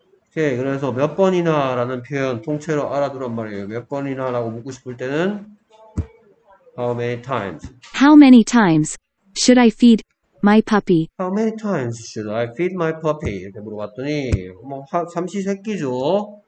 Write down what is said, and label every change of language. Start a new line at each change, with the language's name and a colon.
Korean: 오케이. 그래서 몇 번이나 라는 표현 통째로 알아두란 말이에요. 몇 번이나 라고 묻고 싶을 때는
English: how many times? How many times should I feed my puppy? How many times should I feed my puppy?
Korean: 이렇게 물어봤더니 뭐 삼시세끼죠.